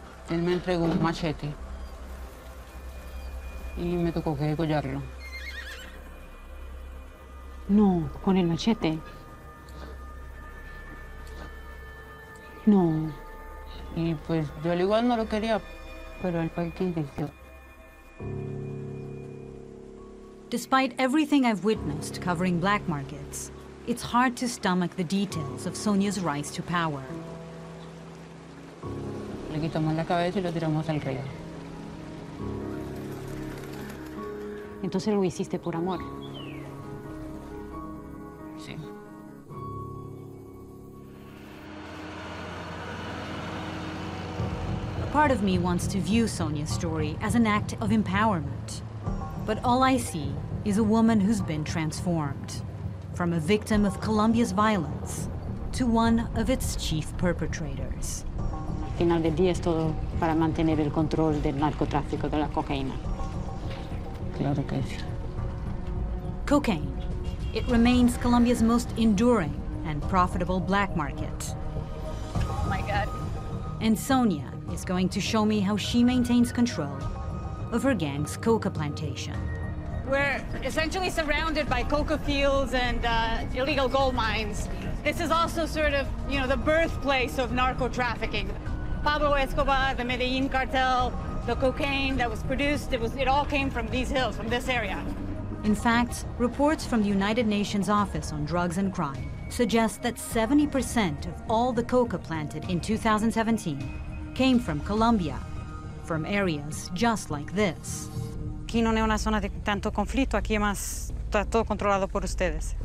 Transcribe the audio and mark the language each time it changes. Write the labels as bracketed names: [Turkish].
[Spanish] Él me entregó un machete y me tocó que degollarlo. No, con el machete. No. Y pues yo al igual no lo quería, pero él fue el que insistió. [English] Despite everything I've witnessed covering black markets, it's hard to stomach the details of Sonia's rise to power. [Spanish] Le quitamos la cabeza y lo tiramos al río. Entonces lo hiciste por amor. Sí. [English] A Part of me wants to view Sonia's story as an act of empowerment. But all I see is a woman who's been transformed from a victim of Colombia's violence to one of its chief perpetrators. [Spanish] Al final del día es todo para mantener el control del narcotráfico de la cocaína. Claro que sí. [English] Cocaine. It remains Colombia's most enduring and profitable black market. Oh my God. And Sonia is going to show me how she maintains control of her gang's coca plantation. We're essentially surrounded by coca fields and illegal gold mines. This is also sort of, you know, the birthplace of narco trafficking. Pablo Escobar, the Medellin cartel, the cocaine that was produced, it all came from these hills, from this area. In fact, reports from the United Nations Office on Drugs and Crime suggest that 70% of all the coca planted in 2017 came from Colombia, from areas just like this. [Spanish] Aquí no es una zona de tanto conflicto, aquí más está todo controlado por ustedes.